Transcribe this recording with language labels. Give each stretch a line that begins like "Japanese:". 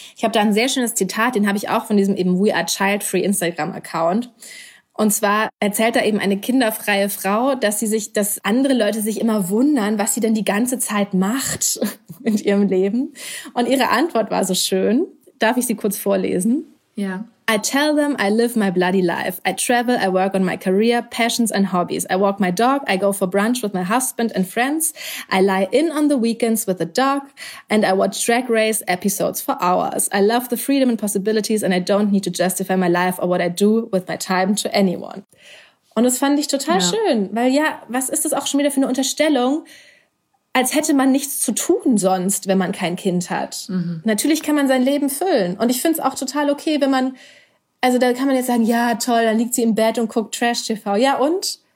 German: Ich habe da ein sehr schönes Zitat, den habe ich auch von diesem eben We Are Child Free Instagram-Account. Und zwar erzählt da eben eine kinderfreie Frau, dass andere Leute sich immer wundern, was sie denn die ganze Zeit macht in ihrem Leben. Und ihre Antwort war so schön. Darf ich sie kurz vorlesen? Ja.
English: I tell them I live my bloody life. I travel, I work on my career, passions and hobbies. I walk my dog, I go for brunch with my husband and friends. I lie in on the weekends with the dog and I watch Drag Race episodes for hours. I love the freedom and possibilities and I don't need to justify my life or what I do with my time to anyone.
German: Und das fand ich total schön, weil ja, was ist das auch schon wieder für eine Unterstellung? Als hätte man nichts zu tun sonst, wenn man kein Kind hat. Mhm. Natürlich kann man sein Leben füllen. Und ich finde es auch total okay, wenn man, also da kann man jetzt sagen, ja toll, dann liegt sie im Bett und guckt Trash-TV. Ja und?